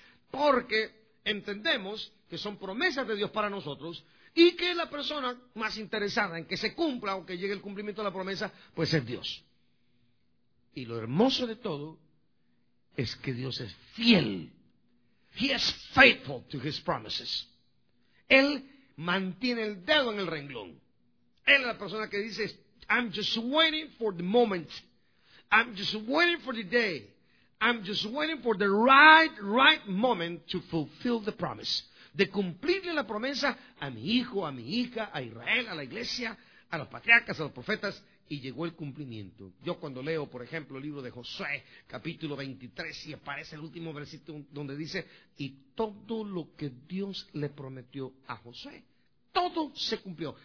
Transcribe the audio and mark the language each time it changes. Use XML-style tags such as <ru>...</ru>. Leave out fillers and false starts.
<es>Porque entendemos que son promesas de Dios para nosotros y que la persona más interesada en que se cumpla o que llegue el cumplimiento de la promesa, pues es Dios. Y lo hermoso de todo es que Dios es fiel.</es> <en>He is faithful to his promises.</en> <es>Él mantiene el dedo en el renglón. Él es la persona que dice,</es> <en>I'm just waiting for the moment. I'm just waiting for the day. I'm just waiting for the right moment to fulfill the promise.</en> <es>De cumplirle la promesa a mi hijo, a mi hija, a Israel, a la iglesia, a los patriarcas, a los profetas, y llegó el cumplimiento. Yo cuando leo, por ejemplo, el libro de Josué, capítulo 23, y aparece el último versículo donde dice, y todo lo que Dios le prometió a Josué, todo se cumplió.</es>